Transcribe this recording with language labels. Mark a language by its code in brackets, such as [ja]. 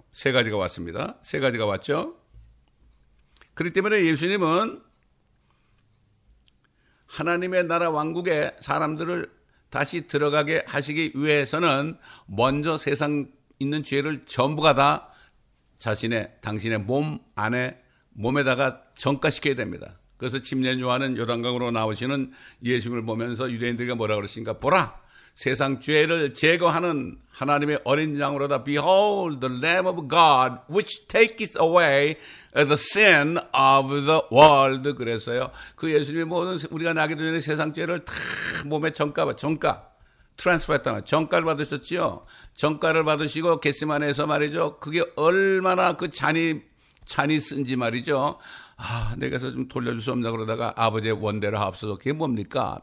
[ko] 세 가지가 왔습니다. 세 가지가 왔죠. 그렇기 때문에 예수님은 하나님의 나라 왕국에 사람들을 다시 들어가게 하시기 위해서는 먼저 세상 있는 죄를 전부가 다 당신의 몸에다가 전가시켜야 됩니다. 그래서 침례 요한은 요단강으로 나오시는 예수님을 보면서 유대인들에게 뭐라 그러십니까? 보라, 세상 죄를 제거하는 하나님의 어린 양으로다. [en] Behold the Lamb of God which takes away the sin of the world. [ko] 그랬어요. 그 예수님이 모든 우리가 나기도 전에 세상 죄를 다 몸에 전가 트랜스퍼 했다면 전가를 받으셨지요. 전가를 받으시고 겟세마네에서 말이죠. 그게 얼마나 그 잔이 쓴지 말이죠. 아, 내게서 좀 돌려줄 수 없냐 그러다가 아버지의 원대를 앞서서 그게 뭡니까?